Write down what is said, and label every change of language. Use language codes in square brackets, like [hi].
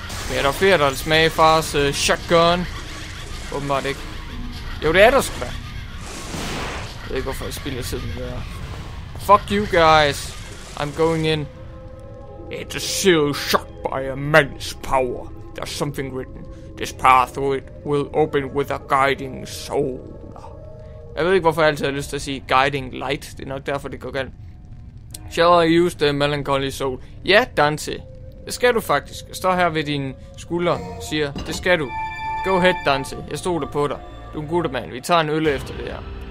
[da] Men er der flere, der vil smage fars shotgun? Åbenbart ikke. Jo, det er der sgu da. Jeg ved ikke, hvorfor jeg spiller tiden med det her. [en] Fuck you guys! I'm going in. It's a sealed shot by a man's power. There's something written. This pathway will open with a guiding soul. [da] Jeg ved ikke, hvorfor jeg altid har lyst til at sige guiding light. Det er nok derfor, det går galt. [en] Shall I use the melancholy soul? [da] Ja, Dante. Det skal du faktisk. Jeg står her ved din skulder og siger, det skal du. [en] Go ahead, Dante. [da] Jeg stoler på dig. Du er en god mand. Vi tager en øl efter det her.